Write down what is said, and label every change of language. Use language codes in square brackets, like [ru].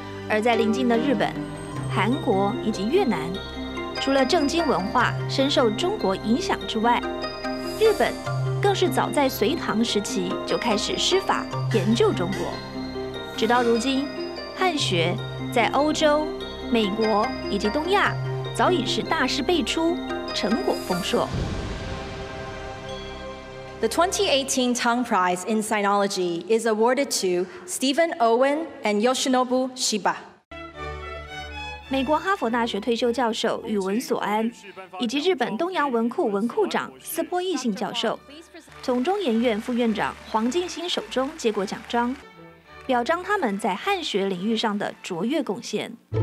[zh] 而在邻近的日本、韩国以及越南，除了正经文化深受中国影响之外，日本更是早在隋唐时期就开始施法研究中国，直到如今，汉学在欧洲、美国以及东亚早已是大师辈出，成果丰硕。 [en] The 2018 Tang Prize in Sinology is awarded to Stephen Owen and Yoshinobu Shiba。 [zh] 美国哈佛大学退休教授宇文索安，以及日本东洋文库文库长斯波义信教授，从中研院副院长黄敬新手中接过奖章，表彰他们在汉学领域上的卓越贡献。